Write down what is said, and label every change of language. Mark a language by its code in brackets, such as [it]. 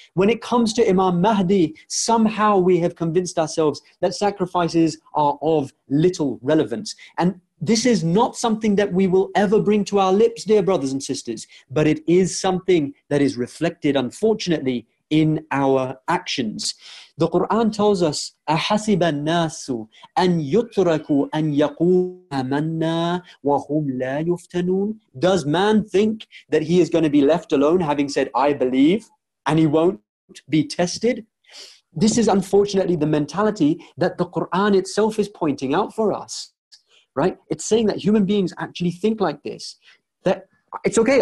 [en] When it comes to Imam Mahdi, somehow we have convinced ourselves that sacrifices are of little relevance. And this is not something that we will ever bring to our lips, dear brothers and sisters, but it is something that is reflected, unfortunately, in our actions. The Quran tells us, [ar] أَحَسِبَ النَّاسُ أَن يُتْرَكُوا أَن يَقُولُوا آمَنَّا وَهُمْ لَا يُفْتَنُونَ. [en] Does man think that he is going to be left alone having said, I believe, and he won't be tested? This is unfortunately the mentality that the Quran itself is pointing out for us. Right? It's saying that human beings actually think like this, that it's okay.